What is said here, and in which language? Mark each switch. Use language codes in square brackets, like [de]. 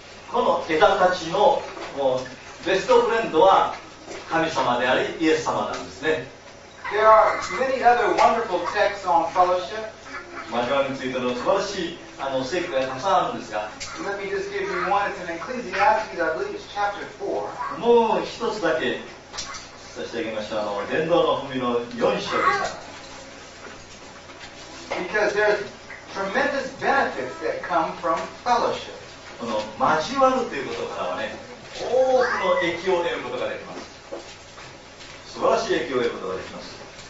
[ja] この枝たちのもうベストフレンドは神様でありイエス様なんですね。 [en] There are many other wonderful texts on fellowship. [ja] 交わりについての素晴らしい聖句がたくさんあるんですが。 [en] Let me just give you one. It's in Ecclesiastes, I believe it's chapter 4. [ja] もう一つだけさせていただきましょう。伝道の文の4章でした。 [en] Because there's tremendous benefits that come from fellowship. [ja] この交わるということからはね、多くの益を得ることができます。素晴らしい益を得ることができます。